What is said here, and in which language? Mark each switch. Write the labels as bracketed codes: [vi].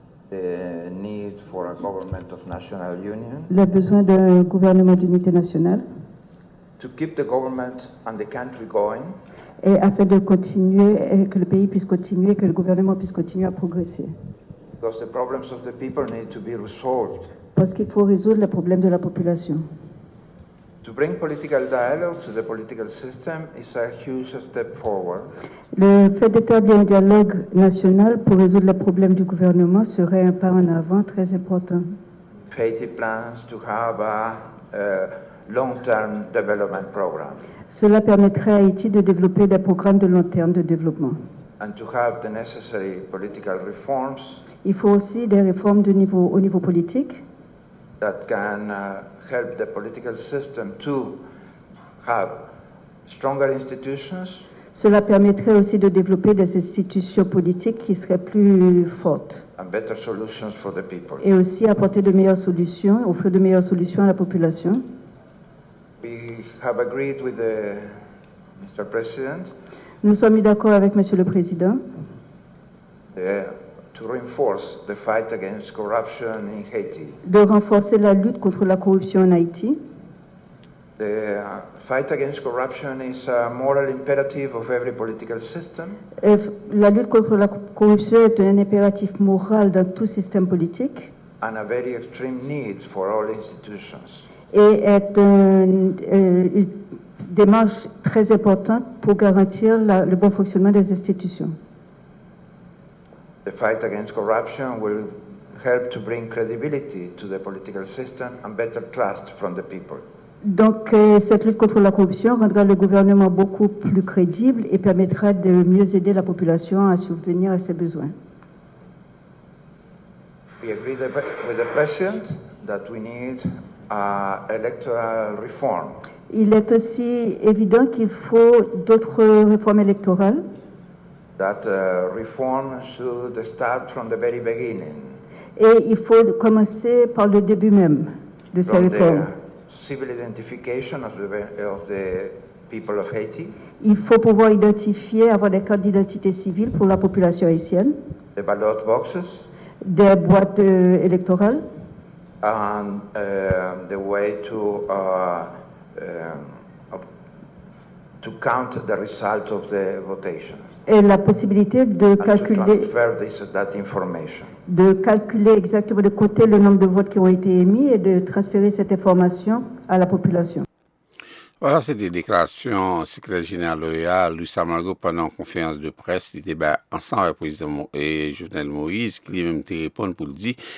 [en] The need for a government of national union. [fr] Le besoin d'un gouvernement d'unité nationale. [en] To keep the government and the country going. [fr] Et afin de continuer, que le pays puisse continuer, que le gouvernement puisse continuer à progresser. [en] Because the problems of the people need to be resolved. [fr] Parce qu'il faut résoudre les problèmes de la population. [en] To bring political dialogue to the political system is a huge step forward. [fr] Le fait d'établir un dialogue national pour résoudre les problèmes du gouvernement serait un pas en avant très important. [en] Faith plans to have a long-term development program. [fr] Cela permettrait à Haïti de développer des programmes de long terme de développement. [en] And to have the necessary political reforms. [fr] Il faut aussi des réformes de niveau, au niveau politique. [en] That can help the political system to have stronger institutions. [fr] Cela permettrait aussi de développer des institutions politiques qui seraient plus fortes. [en] And better solutions for the people. [fr] Et aussi apporter de meilleures solutions, offrir de meilleures solutions à la population. [en] We have agreed with the Mr. President. [fr] Nous sommes d'accord avec Monsieur le Président. [en] To reinforce the fight against corruption in Haiti. [fr] De renforcer la lutte contre la corruption en Haïti. [en] The fight against corruption is a moral imperative of every political system. [fr] Et la lutte contre la corruption est un impératif moral dans tout système politique. [en] And a very extreme need for all institutions. [fr] Et est une démarche très importante pour garantir le bon fonctionnement des institutions. [en] The fight against corruption will help to bring credibility to the political system and better trust from the people. [fr] Donc, cette lutte contre la corruption rendra le gouvernement beaucoup plus crédible et permettra de mieux aider la population à subvenir à ses besoins. [en] We agree with the president that we need electoral reform. [fr] Il est aussi évident qu'il faut d'autres réformes électorales. [en] That reform should start from the very beginning. [fr] Et il faut commencer par le début même de ces réformes. [en] Civil identification of the people of Haiti. [fr] Il faut pouvoir identifier, avoir des cartes d'identité civile pour la population haïtienne. [en] The ballot boxes. [fr] Des boîtes électorales. [en] And the way to count the results of the votation. [fr] Et la possibilité de calculer. [en] And to transfer that information. [fr] De calculer exactement, de compter le nombre de votes qui ont été émis et de transférer cette information à la population. Voilà, c'est des déclarations du secrétaire général de l'OEA, Luis Almagro, pendant une conférence de presse, des débats ensemble avec le président et Jovenel Moïse, qui lui-même te répond pour le dire.